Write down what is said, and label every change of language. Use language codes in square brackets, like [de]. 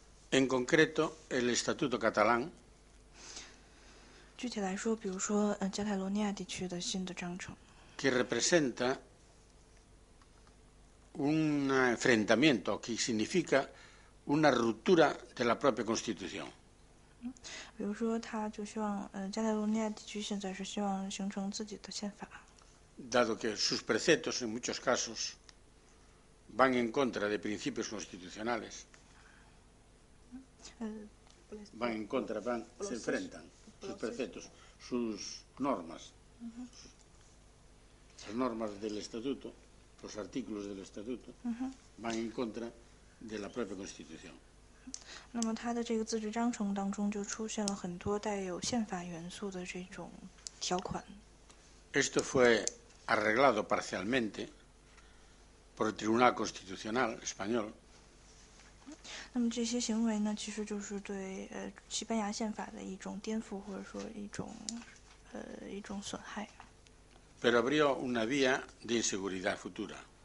[es] En concreto, el Estatuto catalán. [zh] 具体来说，比如说，加泰罗尼亚地区的新的章程。 [es] Que representa un enfrentamiento, que significa una ruptura de la propia Constitución. [zh] 比如说，他就希望，加泰罗尼亚地区现在是希望形成自己的宪法。 [es] Dado que sus preceptos, en muchos casos, van en contra de principios constitucionales. Van en contra, van, se enfrentan sus preceptos, sus normas del estatuto, los artículos del estatuto, van en contra de la propia constitución. [zh] 那么它的这个自治章程当中就出现了很多带有宪法元素的这种条款。 [es] Esto fue arreglado parcialmente por el Tribunal Constitucional español. [zh] 那么这些行为呢，其实就是对西班牙宪法的一种颠覆，或者说一种损害。 [es] Pero abrió una vía de inseguridad futura.